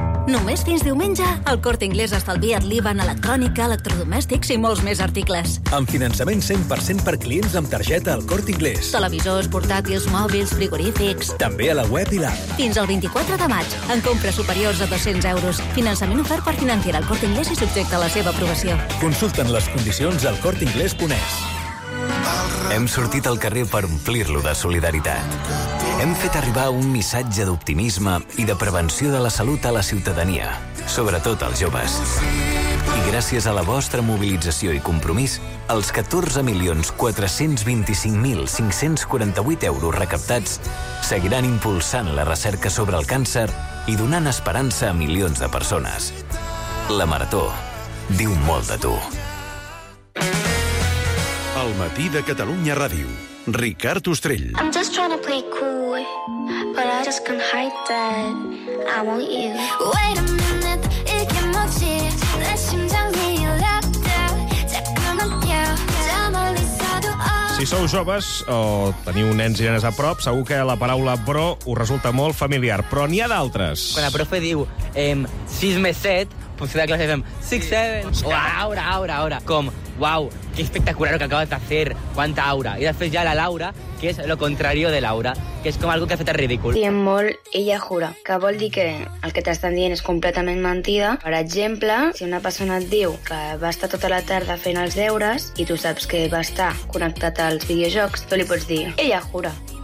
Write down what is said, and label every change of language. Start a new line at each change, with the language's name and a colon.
Catalan: Només fins diumenge, el Corte Inglés estalvia't l'IVA en electrònica, electrodomèstics i molts més articles. Amb finançament 100% per clients amb targeta al Corte Inglés. Televisors, portàtils, mòbils, frigorífics. També a la web i l'app. Fins al 24 de maig, en compres superiors a 200 euros. Finançament ofert per Financiera al Corte Inglés i subjecte a la seva aprovació. Consulta'n les condicions al corteinglés.es. Hem sortit al carrer per omplir-lo de solidaritat. Hem fet arribar un missatge d'optimisme i de prevenció de la salut a la ciutadania, sobretot als joves. I gràcies a la vostra mobilització i compromís, els 14.425.548 euros recaptats seguiran impulsant la recerca sobre el càncer i donant esperança a milions de persones. La Marató diu molt de tu. Al matí de Catalunya Ràdio, Ricard Ostrell.
English: I'm just trying to play cool, but I just can't hide that I want you. Wait a minute,
Korean: 이게 뭐지? 내 심장이 랍다운, 잠깐만 펴. 저 멀리서도
Catalan: Si sou joves o teniu nens i nenes a prop, segur que la paraula bro us resulta molt familiar, però n'hi ha d'altres. Quan la profe diu 6 més 7, potser de classe fem 6-7. O aura, aura, aura. Com, uau,
Spanish: que espectacular lo que acabas de hacer, cuánta aura.
Catalan: I després ja la Laura, que és
Spanish: lo contrario de Laura,
Catalan: que és com algo que ha fet el ridícul. Tien molt, ella jura, que vol dir que el que t'estan dient és completament mentida. Per exemple, si una persona et diu que va estar tota la tarda fent els deures i tu saps que va estar connectat als videojocs, tu li pots dir, ella jura.